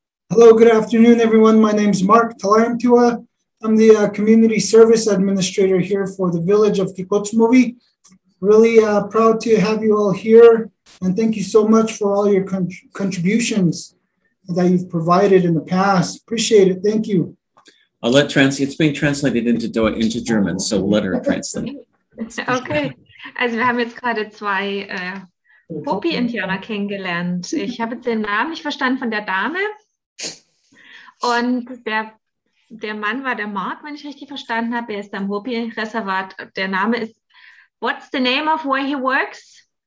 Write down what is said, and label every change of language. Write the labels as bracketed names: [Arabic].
[English] Hello, good afternoon, everyone. My name is Mark Talarantua. I'm the community service administrator here for the village of Kekotsmovi. Really proud to have you all here. And thank you so much for all your contributions that you've provided in the past. Appreciate it. Thank you. I'll let it's being translated into German, so let her translate. Okay. [German] Also wir haben jetzt gerade zwei Hopi-Indianer kennengelernt. Ich habe den Namen nicht verstanden von der Dame. Und der Mann war der Mark, wenn ich richtig verstanden habe. Er ist am Hopi-Reservat. Der Name ist, [English] what's the name of where he works?